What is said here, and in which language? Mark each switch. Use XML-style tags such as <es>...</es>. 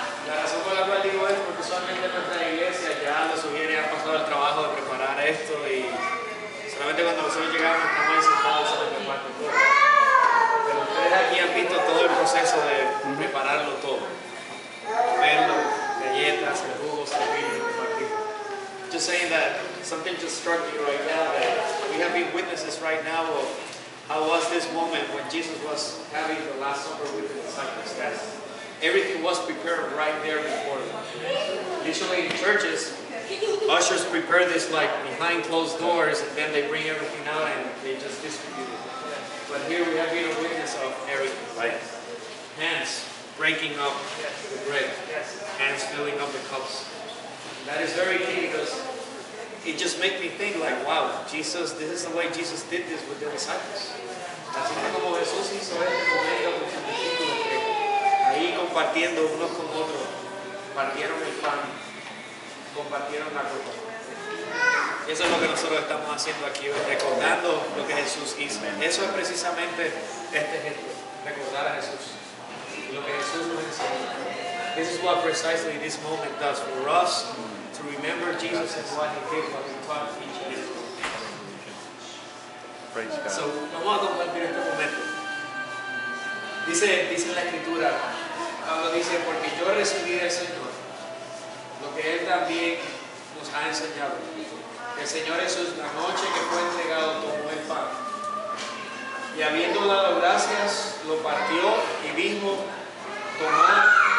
<es>La razón por la cual digo es porque solamente nuestra iglesia ya lo sugiere, ha pasado el trabajo de preparar esto y solamente cuando nosotros llegamos estamos sentados en el cuarto. Pero ustedes aquí han visto todo el proceso de prepararlo todo. Comerlo, galletas, el jugo, servir.</es> <en>Just saying that something just struck me right now that we have been witnesses right now of how was this moment when Jesus was having the Last Supper with the disciples. That everything was prepared right there before them. Usually in churches, ushers prepare this like behind closed doors and then they bring everything out and they just distribute it. But here we have been a witness of everything, right? Hands breaking up the bread, hands filling up the cups. That is very key because it just makes me think like, wow, Jesus, this is the way Jesus did this with the disciples.</en> <es>Así que como Jesús hizo este momento con sus discípulos, ahí compartiendo uno con otro, partieron el pan, compartieron la copa. Eso es lo que nosotros estamos haciendo aquí hoy, recordando lo que Jesús hizo. Eso es precisamente este ejemplo, recordar a Jesús, lo que Jesús nos enseñó.</es> <en>This is what precisely this moment does for us, to remember Jesus and what He did, what He taught each and every one. Praise God.</en> <es>So, vamos a compartir este momento. Dice la Escritura, Pablo dice, porque yo recibí del Señor lo que Él también nos ha enseñado. El Señor Jesús, la noche que fue entregado, tomó el pan. Y habiendo dado gracias, lo partió y dijo, tomad.</es>